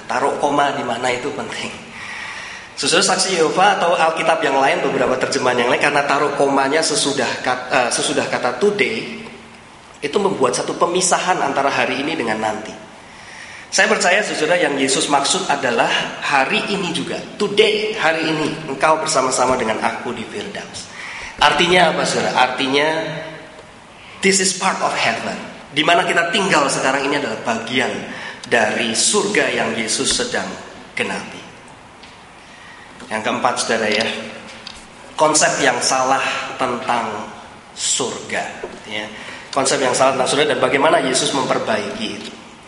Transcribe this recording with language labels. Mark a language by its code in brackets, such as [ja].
[id] Taruh koma di mana itu penting. Saudara, Saksi Yehova atau Alkitab yang lain, beberapa terjemahan yang lain, karena taruh komanya sesudah kata today, itu membuat satu pemisahan antara hari ini dengan nanti. Saya percaya saudara, yang Yesus maksud adalah hari ini juga, today, hari ini engkau bersama-sama dengan aku di Firdaus. Artinya apa, saudara? Artinya [en] this is part of heaven. [id] Di mana kita tinggal sekarang ini adalah bagian dari surga yang Yesus sedang genapi. Yang keempat, saudara, ya, konsep yang salah tentang surga, ya, konsep yang salah tentang surga dan bagaimana Yesus memperbaiki itu.